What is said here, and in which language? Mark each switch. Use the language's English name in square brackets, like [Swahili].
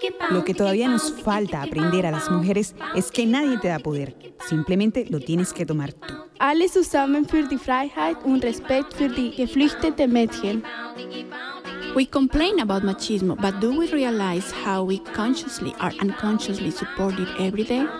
[Spanish] Lo que todavía nos falta aprender a las mujeres es que nadie te da poder. Simplemente lo tienes que tomar tú. [German] Alles zusammen für die Freiheit und Respekt für die geflüchtete Mädchen. [English] We complain about machismo, but do we realize how we consciously or unconsciously support it every day?